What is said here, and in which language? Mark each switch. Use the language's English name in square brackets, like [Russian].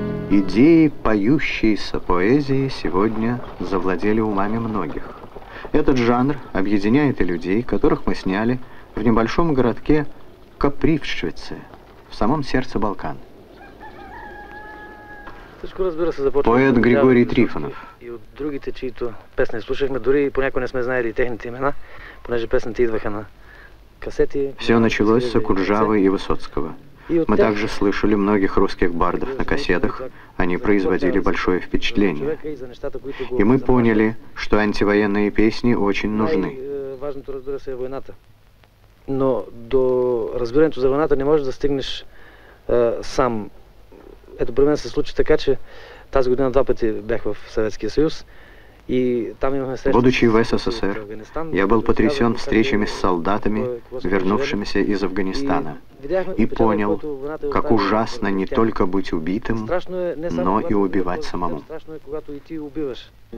[Russian] Идеи поющейся поэзии сегодня завладели умами многих. Этот жанр объединяет и людей, которых мы сняли в небольшом городке Капривщице, в самом сердце Балкан. Поет Григорий Трифонов. [Bulgarian] И от другите, чието песни слушахме, дори понякога не сме знаели техните имена, понеже песните идваха на касети. [Russian] Все началось с Акуджавы и Высоцкого. Мы также слышали многих русских бардов на кассетах. Они производили большое впечатление. И мы поняли, что антивоенные песни очень нужны. [Bulgarian] Важното, разбира се, е войната. Но до разбирането за войната не можеш да стигнеш сам. Ето при мен се случи така, че тази година два пъти бях в Съветския съюз. И там имахме среща. [Russian] Будучи в СССР, я был потрясен встречами с солдатами, вернувшимися из Афганистана. И понял, как ужасно не только быть убитым, но и убивать самому. [Bulgarian] Страшно е, когато и ти убиваш.